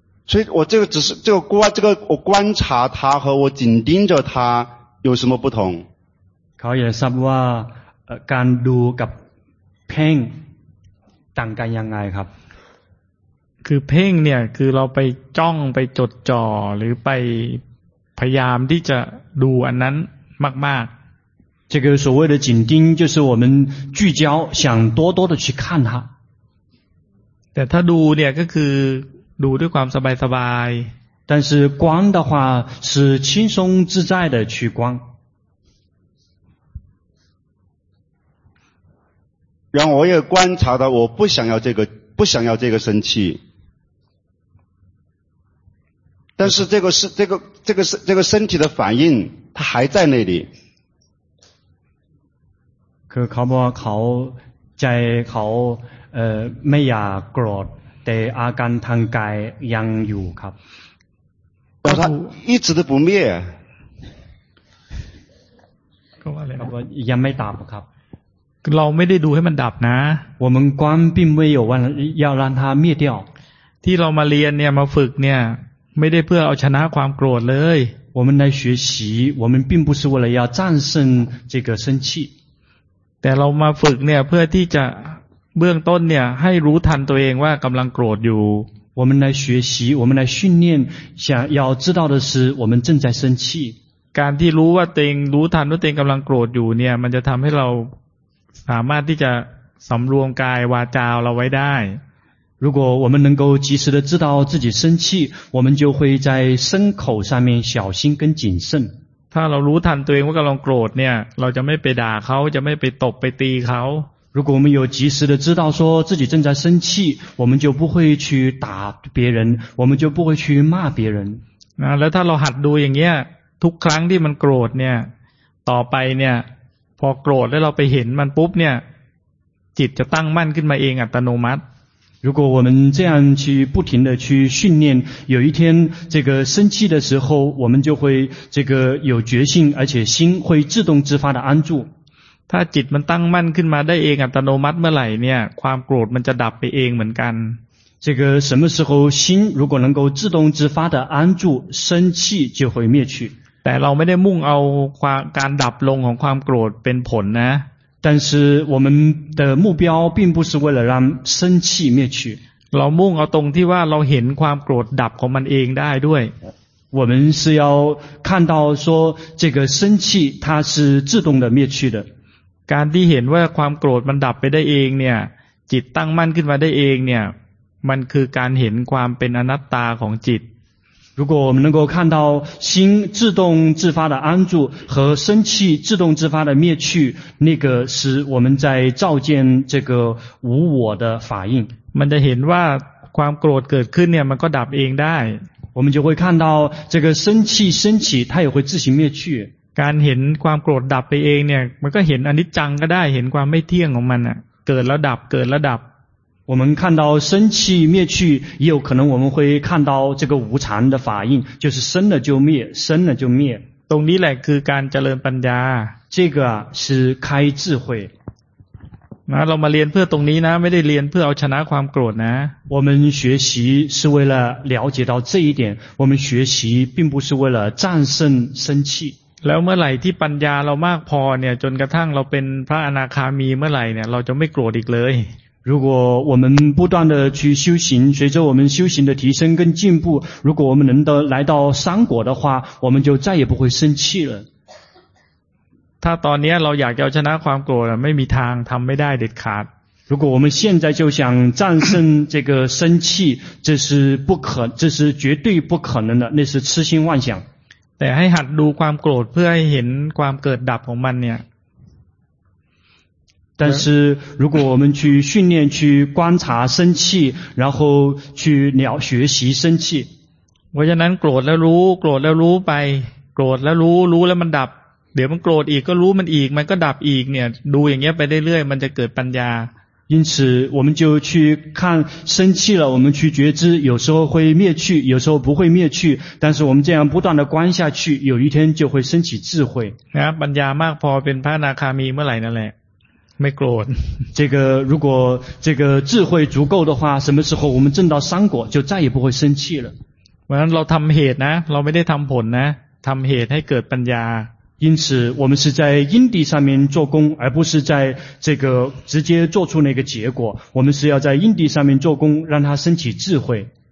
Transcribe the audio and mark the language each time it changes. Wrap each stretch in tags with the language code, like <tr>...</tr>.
<zh>所以我这个只是这个观这个我观察他和我紧盯着他有什么不同</zh> <th>เขาอยากทราบว่าการดูกับเพ่งต่างกันยังไงครับ คือเพ่งเนี่ยคือเราไปจ้องไปจดจ่อหรือไปพยายามที่จะดูอันนั้นมากๆ</th> <zh>这个所谓的紧盯就是我们聚焦想多多的去看它</zh> <th>แต่ถ้าดูเนี่ยก็คือดูด้วยความสบายสบาย</th> <zh>但是观的话是轻松自在的去观然后我也观察到我不想要这个生气但是这个身体的反应它还在那里</zh> <th>คือเขาบอกว่าเขาใจเขาไม่อยากโกรธแต่อาการทางกายยังอยู่ครับ ก็ท่าน</th> <zh>一直都不灭</zh> <th>ก็ว่าอะไรครับว่ายังไม่ดับครับ เราไม่ได้ดูให้มันดับนะ</th> <zh>我们观并没有要让它灭掉</zh> <th>ที่เรามาเรียนเนี่ยมาฝึกเนี่ยไม่ได้เพื่อเอาชนะความโกรธเลย</th> <zh>我们来学习我们并不是为了要战胜这个生气</zh> <th>แต่เรามาฝึกเนี่ยเพื่อที่จะเบื้องต้นเนี่ยให้รู้ทันตัวเองว่ากำลังโกรธอยู่</th> <zh>我们来学习我们来训练想要知道的是我们正在生气</zh> <th>การที่รู้ว่าตัวเองรู้ทันว่าตัวเองกำลังโกรธอยู่เนี่ยมันจะทำให้เราสามารถที่จะสำรวมกายวาจาเราไว้ได้</th> <zh>如果我们能够及时的知道自己生气我们就会在身口上面小心跟谨慎</zh> <th>ถ้าเรารู้ทันตัวเองว่ากำลังโกรธเนี่ยเราจะไม่ไปด่าเขาจะไม่ไปตบไปตีเขา</th> <zh>如果我们有及时的知道说自己正在生气，我们就不会去打别人，我们就不会去骂别人。</zh> <th>那แล้วถ้าเราหัดดูอย่างเงี้ยทุกครั้งที่มันโกรธเนี่ยต่อไปเนี่ยพอโกรธแล้วเราไปเห็นมันปุ๊บเนี่ยจิตจะตั้งมั่นขึ้นมาเองอัตโนมัติ</th> <zh>如果我们这样去不停的去训练，有一天这个生气的时候，我们就会这个有决心，而且心会自动自发的安住。</zh> <th>ถ้าจิตมันตั้งมั่นขึ้นมาได้เองอัตโนมัติเมื่อไหร่เนี่ยความโกรธมันจะดับไปเองเหมือนกัน</th> <zh>这个什么时候心如果能够自动自发的安住，生气就会灭去。</zh> <th>แต่เราไม่ได้มุ่งเอาความการดับลงของความโกรธเป็นผลนะ</th> <zh>但是我们的目标并不是为了让生气灭去。</zh> <th>เรามุ่งเอาตรงที่ว่าเราเห็นความโกรธดับของมันเองได้ด้วย</th> <zh>我们是要看到说这个生气它是自动的灭去的。</zh> <th>การที่เห็นว่าความโกรธมันดับไปได้เองเนี่ยจิตตั้งมั่นขึ้นมาได้เองเนี่ยมันคือการเห็นความเป็นอนัตตาของจิต</th> <zh>如果我们能够看到心自动自发的安住和生气自动自发的灭去那个是我们在照见这个无我的法印</zh> <th>มันจะเห็นว่าความโกรธเกิดขึ้นเนี่ยมันก็ดับเองได้</th> <zh>我们就会看到这个生气升起它也会自行灭去</zh> <th>การเห็นความโกรธดับไปเองเนี่ยมันก็เห็นอนิจจังก็ได้เห็นความไม่เที่ยงของมันอ่ะเกิดแล้วดับเกิดแล้วดับ</th> <zh>我们看到生气灭去也有可能我们会看到这个无常的法印就是生了就灭生了就灭</zh> <th>ตรงนี้แหละคือการเจริญปัญญา</th> <zh>这个是开智慧</zh> <th>นะเรามาเรียนเพื่อตรงนี้นะไม่ได้เรียนเพื่อเอาชนะความโกรธนะ</th> <zh>我们学习是为了了解到这一点我们学习并不是为了战胜生气</zh> <th>แล้วเมื่อไหร่ที่ปัญญาเรามากพอเนี่ยจนกระทั่งเราเป็นพระอนาคามีเมื่อไหร่เนี่ยเราจะไม่โกรธอีกเลย</th> <zh>如果我们不断的去修行随着我们修行的提升跟进步如果我们能够来到三果的话我们就再也不会生气了</zh> <th>ถ้าตอนนี้เราอยากจะชนะความโกรธไม่มีทางทำไม่ได้เด็ดขาด</th> <zh>如果我们现在就想战胜这个生气这是绝对不可能的那是痴心妄想</zh> <th>แต่ให้หัดดูความโกรธเพื่อให้เห็นความเกิดดับของมันเนี่ย</th> <zh>但是如果我们去训练去观察生气然后去了学习生气</zh> <th>เพราะฉะนั้นโกรธแล้วรู้โกรธแล้วรู้ไปโกรธแล้วรู้รู้แล้วมันดับเดี๋ยวมันโกรธอีกก็รู้มันอีกมันก็ดับอีกเนี่ยดูอย่างเงี้ยไปเรื่อยๆมันจะเกิดปัญญา</th> <zh>因此我们就去看生气了我们去觉知有时候会灭去有时候不会灭去但是我们这样不断的观下去有一天就会升起智慧</zh> <th>ปัญญามากพอเป็นพระอนาคามีเมื่อไหร่นั่นแหละไม่โกรธ</th> <zh>这个如果这个智慧足够的话什么时候我们证到三果就再也不会生气了</zh> <th>เพราะฉะนั้นเราทำเหตุนะเราไม่ได้ทำผลนะทำเหตุให้เกิดปัญญา</th> <zh>因此我们是在因地上面做工而不是在这个直接做出那个结果我们是要在因地上面做工让它升起智慧</zh>